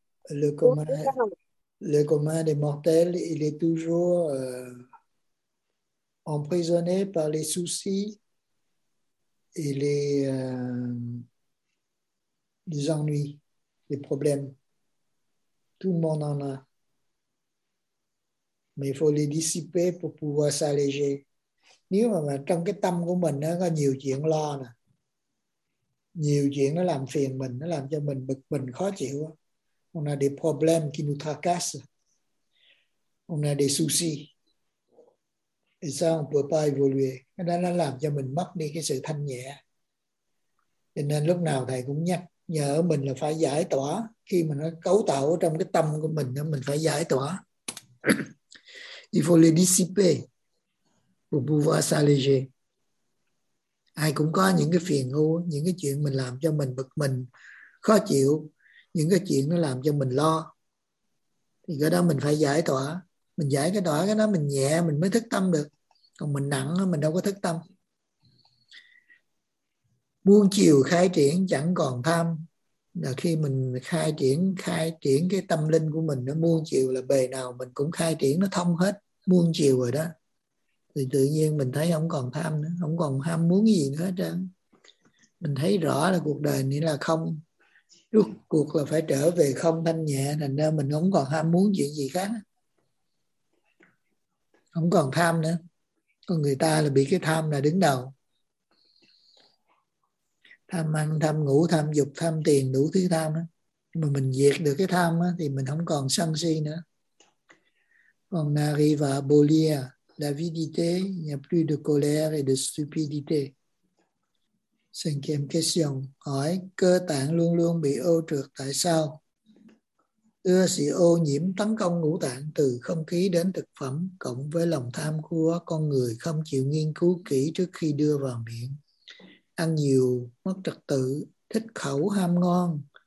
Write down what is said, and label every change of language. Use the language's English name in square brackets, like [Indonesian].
[French] Le commun des mortels, il est toujours emprisonné par les soucis et les ennuis, les problèmes. Tout le monde en a. [Vietnamese] Mà phải đi [French] dissiper pour pouvoir s'alléger. [Vietnamese] Nếu mà trong cái tâm của mình nó có nhiều chuyện lo nè, nhiều chuyện nó làm phiền mình, nó làm cho mình bực mình khó chịu. [French] On a des problèmes qui nous tracassent. On a des soucis. Et ça, on peut pas évoluer. [Vietnamese] Cái đó nó làm cho mình mất đi cái sự thanh nhẹ. Cho nên lúc nào thầy cũng nhắc nhở mình là phải giải tỏa. Khi mà nó cấu tạo trong cái tâm của mình, mình phải giải tỏa. [French] Il faut les dissiper pour pouvoir s'alléger. [Vietnamese] Ai cũng có những cái phiền ưu, những cái chuyện mình làm cho mình bực mình, khó chịu, những cái chuyện nó làm cho mình lo. Thì cái đó mình phải giải tỏa. Mình giải cái tỏa cái đó mình nhẹ, mình mới thức tâm được. Còn mình nặng, mình đâu có thức tâm. Buông chiều khai triển chẳng còn tham. Là khi mình khai triển cái tâm linh của mình, nó muôn chiều là bề nào mình cũng khai triển, nó thông hết, muôn chiều rồi đó, thì tự nhiên mình thấy không còn tham nữa, không còn ham muốn gì nữa hết trơn. Mình thấy rõ là cuộc đời này là không, rốt cuộc là phải trở về không thanh nhẹ, thành ra mình không còn ham muốn chuyện gì khác, không còn tham nữa. Còn người ta là bị cái tham là đứng đầu. Tham ăn, tham ngủ, tham dục, tham tiền, đủ thứ tham đó. Mà mình diệt được cái tham đó, thì mình không còn sân si nữa. [French] On arrive à abolir l'avidité, il n'y a plus de colère et de stupidité. Cinquième question. [Vietnamese] Hỏi, cơ tạng luôn luôn bị ô trược, tại sao? Ưa sự ô nhiễm tấn công ngũ tạng từ không khí đến thực phẩm, cộng với lòng tham của con người không chịu nghiên cứu kỹ trước khi đưa vào miệng. Ăn nhiều, mất trật tự, thích khẩu, ham ngon.